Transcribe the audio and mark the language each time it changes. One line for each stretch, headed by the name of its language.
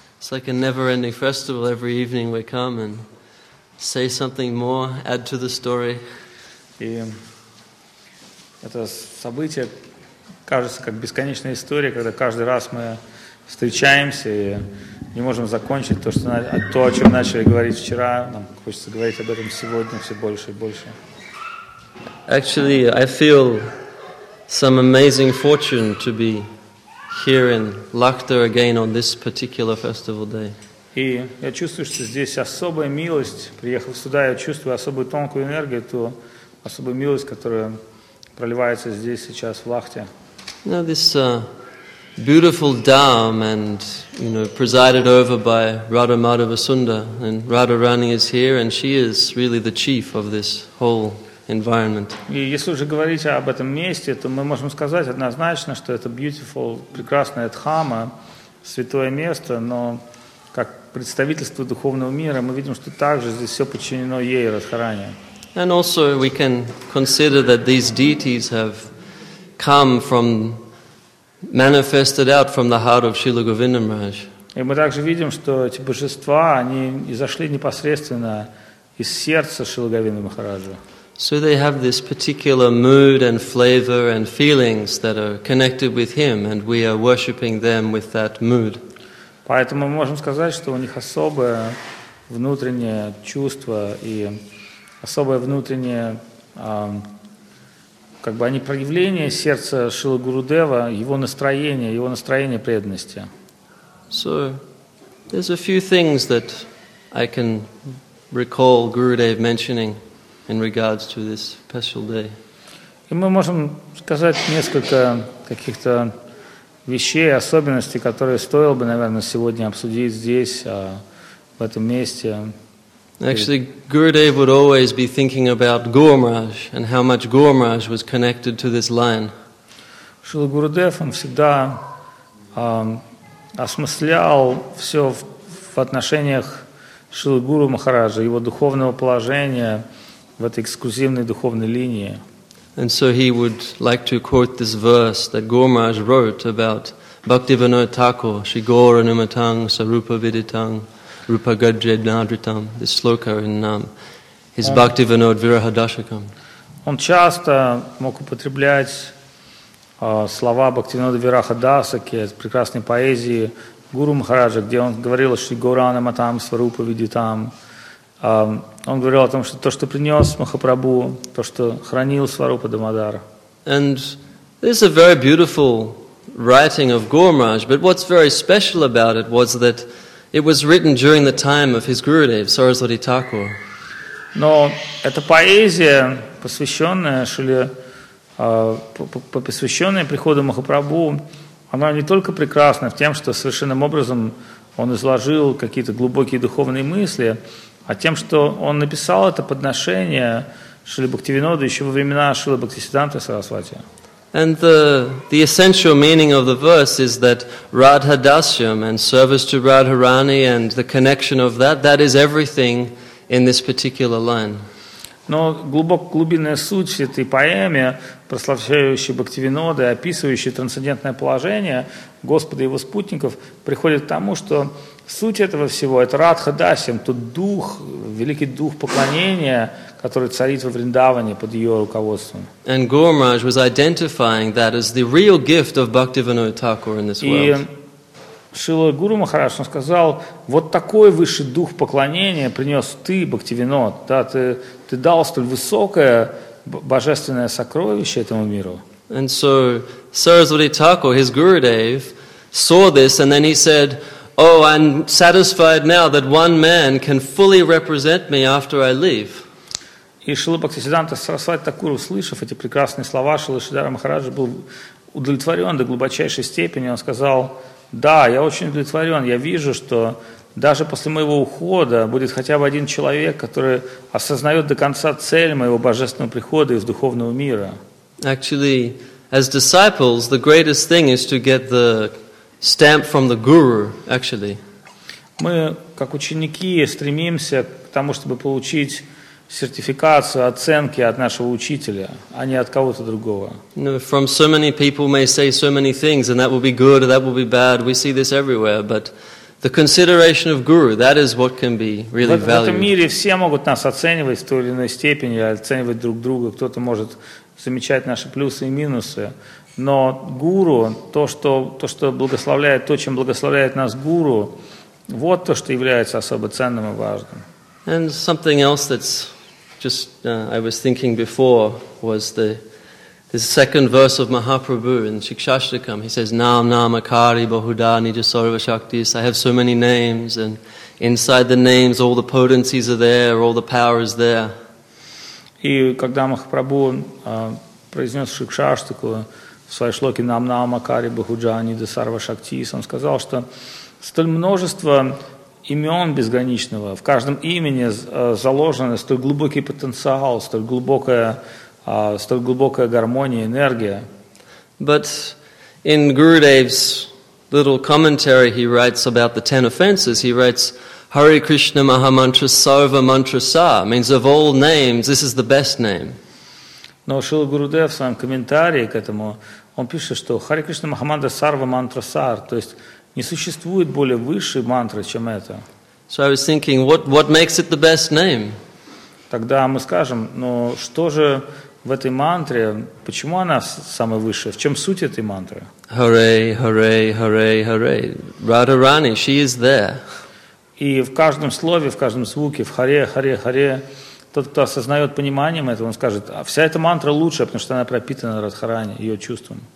English: Like a never-ending festival, every evening we come and say something more, add to the story.
Russian: И это событие кажется как бесконечная история, когда каждый раз мы встречаемся и не можем закончить то, что то, о чем начали говорить вчера, нам хочется говорить об этом сегодня все больше и больше.
English: Actually, I feel some amazing fortune to be here in Lakhta again on this particular festival day.
Russian: И я чувствую, что здесь особая милость. Приехав сюда, я чувствую особую тонкую энергию, ту особую милость, которая проливается здесь сейчас в Лахте.
English: Now this beautiful dam, and you know, presided over by Radha Madhava Sunda, and Radha Rani is here, and she is really the chief of this whole environment.
Russian: И если уже говорить об этом месте, то мы можем сказать однозначно, что это
English: beautiful,
Russian: прекрасное дхама, святое место, но как представительство духовного мира, мы видим, что также здесь все подчинено ей, Радхарани.
English: And also we can consider that these deities have come from, manifested out from the heart of Srila Govinda Maharaj.
Russian: И мы также видим, что эти божества, они изошли непосредственно из сердца Шрилы Говинды Махараджа.
English: So they have this particular mood and flavor and feelings that are connected with him, and we are worshipping them with that mood.
Russian: Поэтому мы можем сказать, что у них особое внутреннее чувство и особое внутреннее, как бы они проявление сердца Шрилы Гурудева, его настроение преданности.
English: So there's a few things that I can recall Gurudev mentioning in regards to this special day.
Russian: И мы можем сказать несколько каких-то вещей, особенностей, которые стоило бы, наверное, сегодня обсудить здесь, в этом месте.
English: Actually, Gurudev would always be thinking about Gaur Maharaj and how much Gaur Maharaj was connected to this line.
Russian: Шрила Гурудев, он всегда осмыслял все в отношениях Шрилы Гуру Махараджа, его духовного положения в этой эксклюзивной духовной линии.
English: And so he would like to quote this verse that Gaur Maharaj wrote about Bhaktivinoda Thakur,
Sanskrit: Shri Gaur Anumatang, Sarupa Viditang, Rupa Gadje Nadritam,
English: this sloka in his Bhaktivinoda Virahadashakam.
Russian: Он часто мог употреблять слова Бхактивинода Вирахадасаки, прекрасной поэзии Гуру Махараджа, где он говорил
Sanskrit: Шри Гаур Ануматам, Сварупа Видитам.
Russian: Он говорил о том, что то, что принес Махапрабху, то, что хранил Сварупа Дамодара.
English: And this is a very beautiful writing of Gaur Maharaj, but what's very special about it was that it was written during the time of his Gurudev, Sarasvati Thakur.
Russian: Но эта поэзия, посвященная приходу Махапрабху, она не только прекрасна в тем, что совершенным образом он изложил какие-то глубокие духовные мысли, а тем, что он написал это подношение Шрилы Бхактивиноду еще во времена Шрилы Бхактисиддханты Сарасвати.
English: And the essential meaning of the verse is that Radha Dasyam and service to Radharani and the connection of that, that is everything in this particular line.
Russian: Но глубинная суть этой поэмы, прославляющей Бхактивиноду и описывающей трансцендентное положение Господа и его спутников, приходит к тому, что суть этого всего – это Радха Дасим, тот дух, великий дух поклонения, который царит во Вриндаване под ее руководством.
English: And Gaur Maharaj was identifying that as the real gift of Bhaktivinoda Thakur in this world.
Russian: И Шрила Гуру Махарадж сказал: вот такой высший дух поклонения принес ты, Бхактивинод, да, ты дал столь высокое божественное сокровище этому миру.
English: And so Sarasvati Thakur, his Gurudev, saw this, and then he said, oh, I'm satisfied now that one man can fully represent me after I leave.
Russian: И Шрила Бхактисиддханта Сарасвати Такур, услышав эти прекрасные слова Шрилы Шридхара Махараджа, был удовлетворен до глубочайшей степени. Он сказал: да, я очень удовлетворен. Я вижу, что даже после моего ухода будет хотя бы один человек, который осознает до конца цель моего божественного прихода из духовного мира.
English: Actually, as disciples, the greatest thing is to get the stamp from the guru, actually.
Russian: Мы, как ученики, стремимся к тому, чтобы получить сертификацию, оценки от нашего учителя, а не от кого-то другого.
English: No, from so many people may say so many things, and that will be good, or that will be bad. We see this everywhere, but the consideration of guru, that is what can be really valued.
Russian: В этом мире все могут нас оценивать в той или иной степени, оценивать друг друга. Кто-то может замечать наши плюсы и минусы, но гуру, то, что благословляет, то, чем благословляет нас гуру, вот то, что является особо ценным и важным.
English: And something else that's just I was thinking before was the second verse of Mahaprabhu in Shikshashtakam. He says,
Sanskrit: Nam Namakari Bahuda Nijasarva Shaktis.
English: I have so many names, and inside the names all the potencies are there, all the power is there.
Russian: И когда Махапрабху произнес Шикшаштаку в своей шлоке
Sanskrit: Нам Намакари Бахуджа Нидасарва Шактис,
Russian: он сказал, что столь множество имен безграничного, в каждом имени заложен столь глубокий потенциал, столь глубокая гармония, энергия.
English: But in Gurudev's little commentary he writes about the ten offenses, he writes,
Sanskrit: Hare Krishna Maha Mantra Sarva Mantra Sa,
English: means of all names, this is the best name.
Russian: Но Шрила Гурудев в своем комментарии к этому, он пишет, что
Sanskrit: Hare Krishna Maha Mantra Sarva Mantra Sa,
Russian: то есть не существует более высшей мантры, чем это.
English: So I was thinking, what makes it the best name?
Russian: Тогда мы скажем, но что же в этой мантре, почему она самая высшая, в чем суть этой мантры?
English: Hare, Hare, Hare, Hare. Radharani, she is there.
Russian: И в каждом слове, в каждом звуке, в Харе, Харе, Харе, тот, кто осознает пониманием этого, он скажет, а вся эта мантра лучшая, потому что она пропитана Радхарани, ее чувством.